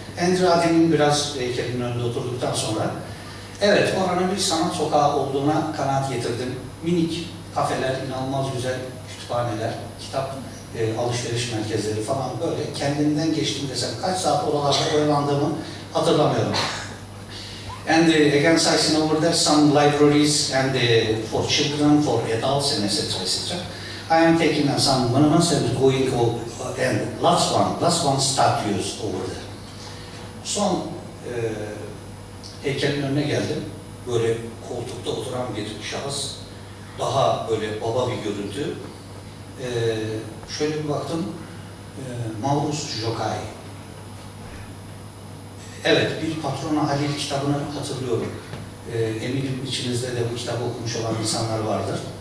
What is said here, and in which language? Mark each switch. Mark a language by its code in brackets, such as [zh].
[tr] Andrew Ali'nin biraz heykelinin önünde oturduktan sonra, evet, oranın bir sanat sokağı olduğuna kanaat getirdim. Minik kafeler, inanılmaz güzel kütüphaneler, kitap alışveriş merkezleri falan böyle. Kendimden geçtim desem, kaç saat oralarda oyalandığımı hatırlamıyorum. [en] And again, sizing over there some libraries and for children, for adults, and etc. etc. I am taking some monuments and going over and last one statues over there. [tr] Son heykelin önüne geldim. Böyle koltukta oturan bir şahıs, daha böyle baba bir görüntü. Şöyle bir baktım, Maurus Jokai. Evet, bir Patrona Halil kitabını hatırlıyorum. Eminim içinizde de bu kitabı okumuş olan insanlar vardır.